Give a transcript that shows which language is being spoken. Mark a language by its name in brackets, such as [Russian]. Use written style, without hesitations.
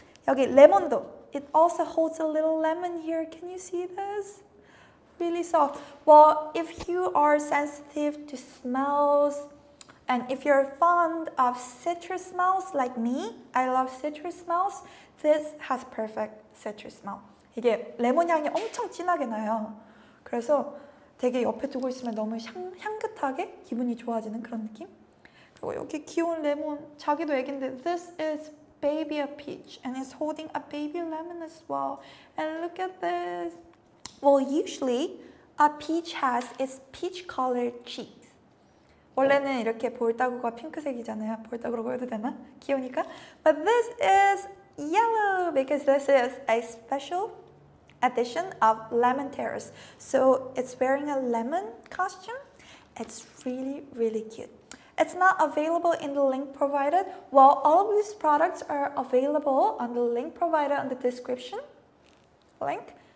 [Korean] 여기 레몬도. [English] It also holds a little lemon here. Can you see this? Really soft. Well, if you are sensitive to smells, and if you're fond of citrus smells like me, I love citrus smells, this has perfect citrus smell. [Korean] 이게 레몬 향이 엄청 진하게 나요. 그래서 되게 옆에 두고 있으면 너무 향긋하게 기분이 좋아지는 그런 느낌. 그리고 여기 귀여운 레몬, 자기도 애긴데 [English] this is baby APEACH and it's holding a baby lemon as well. And look at this. Well, usually APEACH has its peach colored cheeks. [Korean] 원래는 이렇게 볼따구가 핑크색이잖아요. 볼따구라고 해도 되나? 귀여우니까. [English] But this is yellow because this is a special edition of Lemon Terrace. So it's wearing a lemon costume. It's really, really cute. It's not available in the link provided. Well, all of these products are available on the link provided on the description link.